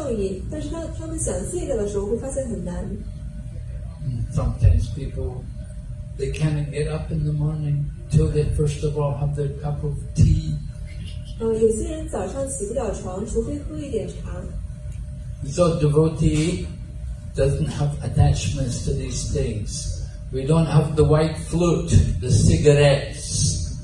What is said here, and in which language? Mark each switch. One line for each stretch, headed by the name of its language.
Chinese: 一些人不知道自己对这些东西上瘾，但是他们想戒掉的时候会发现很难。
English: Sometimes people, they cannot get up in the morning till they first of all have their cup of tea.
Chinese: 有些人早上起不了床，除非喝一点茶。
English: So devotee doesn't have attachments to these things. We don't have the white flute, the cigarettes.